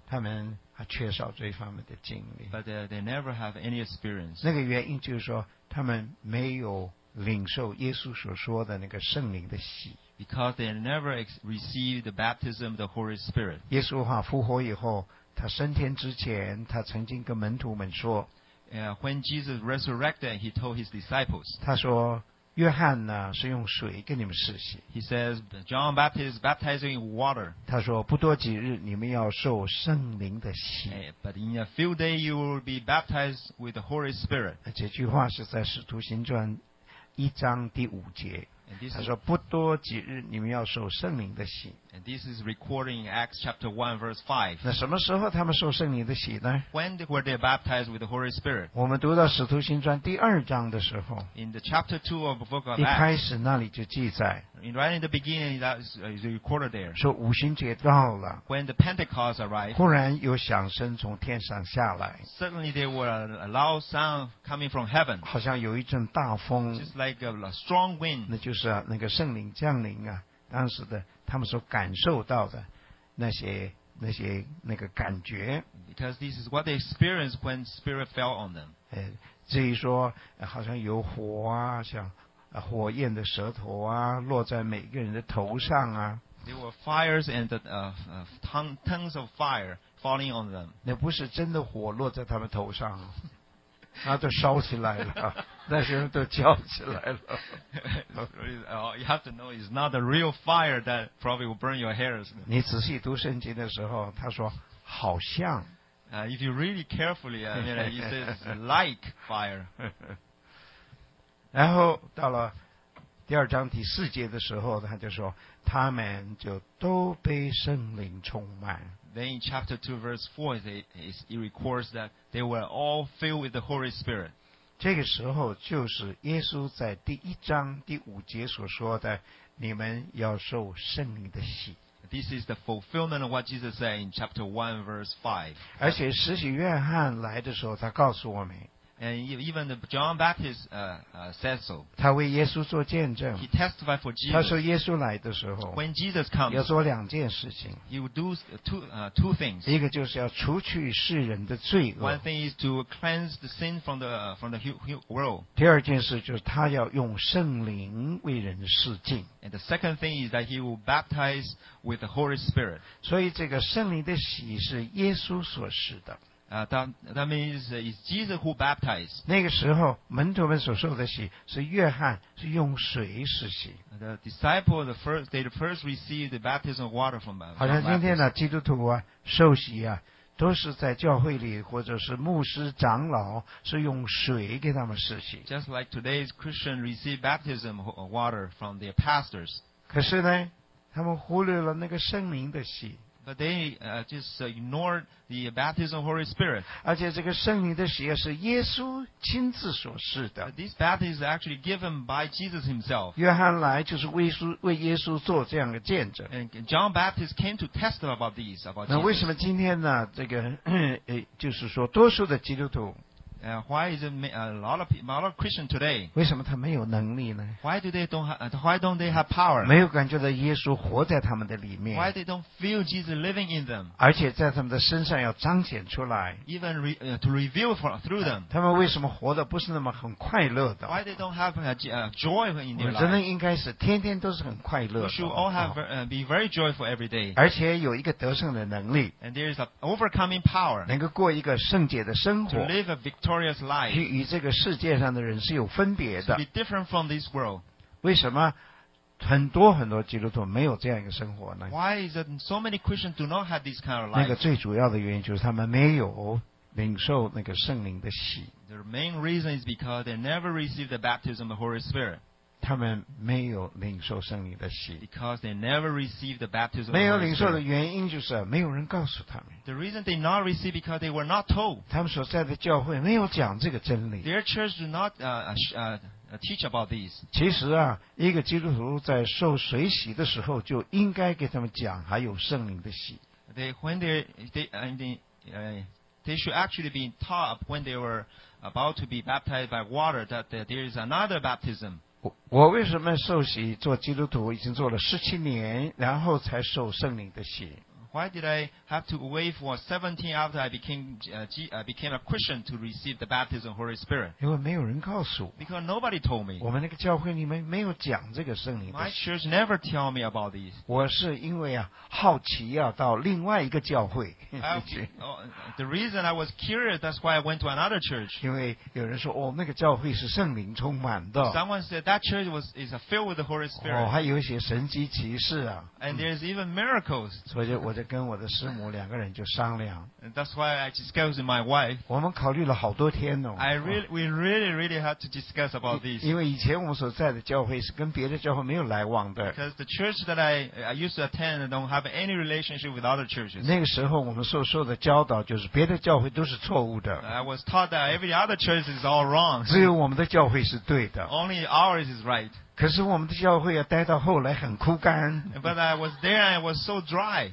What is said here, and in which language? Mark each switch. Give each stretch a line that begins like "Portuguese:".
Chinese: 他们还缺少这方面的经历。
English: But they never have any experience.
Chinese: 那个原因就是说，他们没有领受耶稣所说的那个圣灵的洗。
English: Because they never received the baptism of the Holy Spirit.
Chinese: 耶稣哈复活以后，他升天之前，他曾经跟门徒们说
English: ，When Jesus resurrected, he told his disciples.
Chinese: 他说，约翰呢是用水跟你们施洗。
English: He says John Baptist baptizing in water.
Chinese: 他说，不多几日，你们要受圣灵的洗。
English: But in a few days you will be baptized with the Holy Spirit.
Chinese: 这句话是在《使徒行传》一章第五节。他说不多几日你们要受圣灵的洗。
English: And this is recording Acts chapter 1 verse 5.
Chinese: 那什么时候他们受圣灵的洗呢？
English: When were they baptized with the Holy Spirit?
Chinese: 我们读到使徒行传第二章的时候。
English: In the chapter 2 of the book of Acts.
Chinese: 一开始那里就记载。
English: Right in the beginning that is recorded there.
Chinese: 说五旬节到了。
English: When the Pentecost arrived.
Chinese: 忽然有响声从天上下来。
English: Suddenly there were a loud sound coming from heaven.
Chinese: 好像有一阵大风。
English: Just like a strong wind.
Chinese: 那就是啊，那个圣灵降临啊，当时的他们所感受到的那些那个感觉。
English: Because this is what they experienced when Spirit fell on them.
Chinese: 至于说好像有火啊，像火焰的舌头啊，落在每个人的头上啊。
English: There were fires and tongues of fire falling on them.
Chinese: 那不是真的火落在他们头上。那都烧起来了，那些人都叫起来了。
English: You have to know it's not a real fire that probably will burn your hairs.
Chinese: 你仔细读圣经的时候，他说好像。
English: If you really carefully, I mean, it says like fire.
Chinese: 然后到了第二章第四节的时候，他就说他们就都被圣灵充满。
English: Then in chapter 2 verse 4 it records that they were all filled with the Holy Spirit.
Chinese: 这个时候就是耶稣在第一章第五节所说的你们要受圣灵的洗。
English: This is the fulfillment of what Jesus said in chapter 1 verse 5.
Chinese: 而且使洗约翰来的时候他告诉我们。
English: And even John Baptist said so.
Chinese: 他为耶稣做见证。
English: He testified for Jesus.
Chinese: 他说耶稣来的时候。
English: When Jesus comes.
Chinese: 要做两件事情。
English: He will do two things.
Chinese: 一个就是要除去世人的罪恶。
English: One thing is to cleanse the sin from the world.
Chinese: 第二件事就是他要用圣灵为人施浸。
English: And the second thing is that he will baptize with the Holy Spirit.
Chinese: 所以这个圣灵的洗是耶稣所施的。
English: That means it's Jesus who baptized.
Chinese: 那个时候门徒们所受的洗是约翰是用水施洗。
English: The disciples, they first received the baptism of water from baptism.
Chinese: 好像今天呢基督徒啊受洗啊都是在教会里或者是牧师长老是用水给他们施洗。
English: Just like today's Christian receive baptism of water from their pastors.
Chinese: 可是呢他们忽略了那个圣灵的洗。
English: But they just ignored the baptism of the Holy Spirit.
Chinese: 而且这个圣灵的洗是耶稣亲自所施的。
English: This baptism is actually given by Jesus himself.
Chinese: 约翰来就是为耶稣做这样的见证。
English: And John Baptist came to testify about these, about Jesus.
Chinese: 那为什么今天呢？这个就是说多数的基督徒。
English: Why is it a lot of Christian today?
Chinese: 为什么他没有能力呢？
English: Why don't they have power?
Chinese: 没有感觉到耶稣活在他们的里面。
English: Why they don't feel Jesus living in them?
Chinese: 而且在他们的身上要彰显出来。
English: Even to reveal through them.
Chinese: 他们为什么活得不是那么很快乐的？
English: Why they don't have joy in their life?
Chinese: 我真的应该是天天都是很快乐的。
English: We should all be very joyful every day.
Chinese: 而且有一个得胜的能力。
English: And there is an overcoming power.
Chinese: 能够过一个圣洁的生活。
English: To live a victorious life,
Chinese: 与这个世界上的人是有分别的。
English: To be different from this world.
Chinese: 为什么很多很多基督徒没有这样一个生活呢
English: ？Why is it so many Christians do not have this kind of life？
Chinese: 那个最主要的原因就是他们没有领受那个圣灵的洗。
English: The main reason is because they never received the baptism of the Holy Spirit。
Chinese: 他们没有领受圣灵的洗。
English: Because they never received the baptism。
Chinese: 没有领受的原因就是没有人告诉他们。
English: The reason they not receive because they were not told。
Chinese: 他们所在的教会没有讲这个真理。
English: Their church do not teach about these。
Chinese: 其实啊，一个基督徒在受水洗的时候，就应该给他们讲还有圣灵的洗。
English: They should actually be taught when they were about to be baptized by water that there is another baptism.
Chinese: 我为什么受洗做基督徒已经做了17年然后才受圣灵的洗。
English: Why did I have to wait for 17 after I became a Christian to receive the baptism of the Holy Spirit?
Chinese: 因为没有人告诉我。
English: Because nobody told me.
Chinese: 我们那个教会里面没有讲这个圣灵的洗。
English: My church never tell me about this.
Chinese: 我是因为啊好奇啊到另外一个教会。
English: The reason I was curious, that's why I went to another church.
Chinese: 因为有人说哦那个教会是圣灵充满的。
English: Someone said that church is filled with the Holy Spirit.
Chinese: 哦还有一些神迹奇事啊。
English: And there's even miracles.
Chinese: 所以我就跟我的师母两个人就商量。
English: That's why I discussed my wife.
Chinese: 我们考虑了好多天哦。
English: We really had to discuss about this.
Chinese: 因为以前我们所在的教会是跟别的教会没有来往的。
English: Because the church that I used to attend don't have any relationship with other churches.
Chinese: 那个时候我们所受的教导就是别的教会都是错误的。
English: I was taught that every other church is all wrong.
Chinese: 只有我们的教会是对的。
English: Only ours is right.
Chinese: 可是我们的教会啊，待到后来很枯干。
English: But I was there, I was so dry.